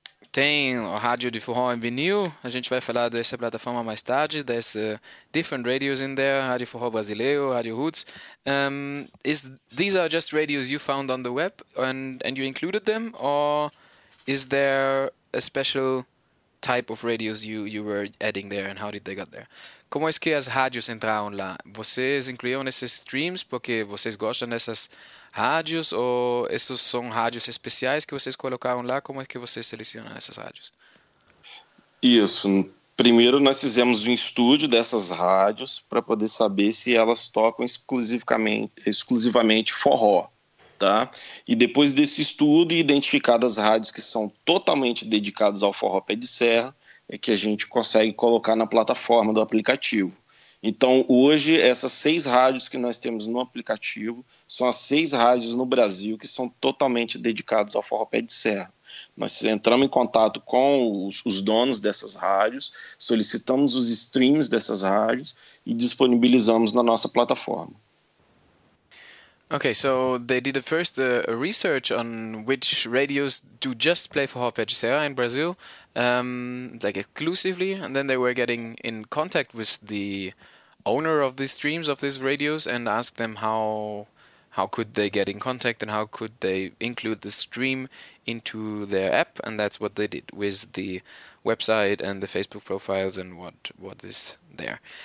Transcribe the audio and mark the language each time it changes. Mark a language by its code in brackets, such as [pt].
[pt] Tem o rádio de forró em vinil, a gente vai falar dessa plataforma mais tarde, dessa [en] different radios in there, [pt] rádio forró brasileiro, rádio roots. [en] These are just radios you found on the web and you included them, or is there a special type of radios you were adding there and how did they get there? [pt] Como é que as rádios entraram lá? Vocês incluíram esses streams porque vocês gostam dessas rádios ou esses são rádios especiais que vocês colocaram lá? Como é que vocês selecionam essas rádios? Isso. Primeiro nós fizemos um estudo dessas rádios para poder saber se elas tocam exclusivamente forró. Tá? E depois desse estudo e identificadas as rádios que são totalmente dedicadas ao forró pé de serra, é que a gente consegue colocar na plataforma do aplicativo. Então, hoje, essas seis rádios que nós temos no aplicativo são as seis rádios no Brasil que são totalmente dedicadas ao forró pé de serra. Nós entramos em contato com os donos dessas rádios, solicitamos os streams dessas rádios e disponibilizamos na nossa plataforma. [en] Okay, so they did the first research on which radios do just play for forró pé de serra in Brazil, like exclusively, and then they were getting in contact with the owner of these streams of these radios and asked them how could they get in contact and how could they include the stream into their app, and that's what they did with the website and the Facebook profiles and what is there.